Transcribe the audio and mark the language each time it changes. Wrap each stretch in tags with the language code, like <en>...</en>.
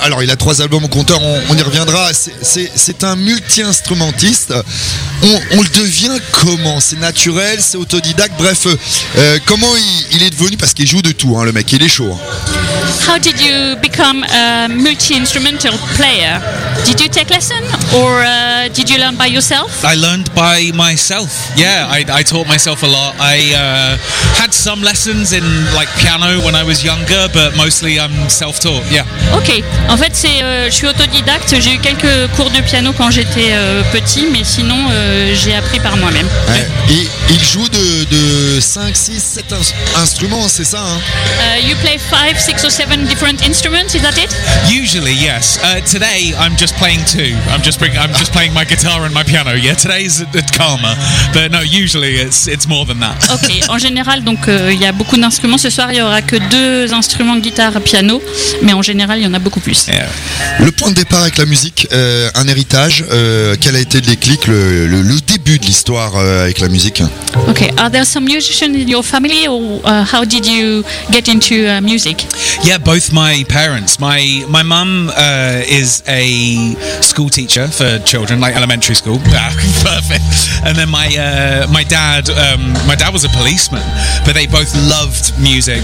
<fr>Alors, il a trois albums au compteur, on y reviendra. C'est un multi-instrumentiste. On le devient comment? C'est naturel, c'est autodidacte. Bref, comment il est devenu? Parce qu'il joue de tout, hein, le mec, il est chaud.</fr> <en>How did you become a multi-instrumental player? Did you take lesson or did you learn by yourself? I learned by myself. Yeah, I taught myself a lot. I had some lessons in like piano when I was younger, but mostly I'm self-taught. Yeah.</en> <fr>Okay. En fait, c'est je suis autodidacte. J'ai eu quelques cours de piano quand j'étais petit, mais sinon j'ai appris par moi-même. Et il joue de 5, 6, 7 instruments, c'est ça, hein?</fr> <en>You play 5, 6 or 7 different instruments, is that it? Usually, yes. Today, I'm just playing 2. I'm just playing my guitar and my piano. Yeah, today's at Karma. But no, usually, it's more than that.</en> <fr>Ok, en général, donc, il y a beaucoup d'instruments. Ce soir, il n'y aura que 2 instruments, guitare, piano. Mais en général, il y en a beaucoup plus.</fr> <en>Yeah.</en> <fr>Le point de départ avec la musique, un héritage. Quel a été le déclic, le début de l'histoire avec la musique?</fr> <en>Okay, are there some musicians in your family or how did you get into music? Yeah, both my parents. My mum is a school teacher for children, like elementary school. Perfect. And then my dad was a policeman, but they both loved music.</en>